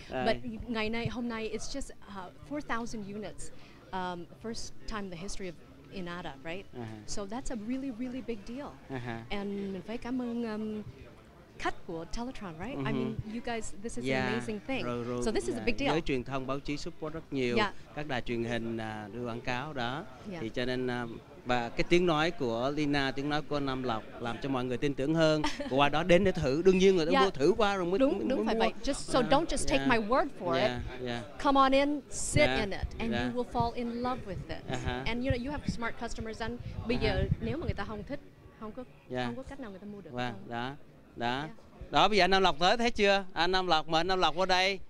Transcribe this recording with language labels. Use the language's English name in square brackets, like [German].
[English] But [Vietnamese] ngày nay, hôm nay, [English] it's just 4,000 units. First time in the history of Inada, right? So that's a really, really big deal. [Vietnamese] And mình phải cảm ơn khách của Teletron, right? [English] I mean, you guys, this is an amazing thing. [Vietnamese] Rồi. [English] So this is a big deal. [Vietnamese] Giới truyền thông, báo chí support rất nhiều. Các đài truyền hình đưa quảng cáo đó. Thì cho nên và cái tiếng nói của Lina, tiếng nói của Nam Lộc làm cho mọi người tin tưởng hơn. Qua đó đến để thử. Đương nhiên người ta mua thử qua rồi mới đúng, mới đúng mua. Phải vậy. [English] Just so don't just take my word for it. Come on in, sit in it, and you will fall in love with it. And you know, you have smart customers. [Vietnamese] And bây giờ nếu mà người ta không thích, không có cách nào người ta mua được. Vâng, đó. Đó. Đó bây giờ anh Nam Lộc tới thấy chưa? Anh Nam Lộc, mời anh Nam Lộc qua đây.